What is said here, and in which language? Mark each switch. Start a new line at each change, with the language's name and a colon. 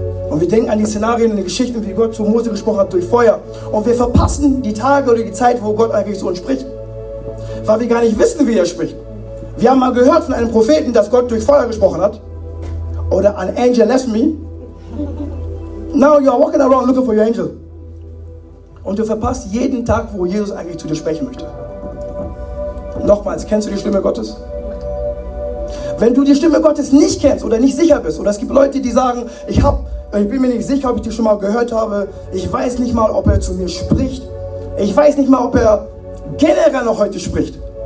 German: Und wir denken an die Szenarien und die Geschichten, wie Gott zu Mose gesprochen hat durch Feuer. Und wir verpassen die Tage oder die Zeit, wo Gott eigentlich zu uns spricht. Weil wir gar nicht wissen, wie er spricht. Wir haben mal gehört von einem Propheten, dass Gott durch Feuer gesprochen hat.
English: Oder an Angel left me. Now you are walking around looking for your angel.
German: Und du verpasst jeden Tag, wo Jesus eigentlich zu dir sprechen möchte. Nochmals, kennst du die Stimme Gottes? Wenn du die Stimme Gottes nicht kennst oder nicht sicher bist, oder es gibt Leute, die sagen, ich bin mir nicht sicher, ob ich die schon mal gehört habe, ich weiß nicht mal, ob er zu mir spricht, ich weiß nicht mal, ob er generell noch heute spricht.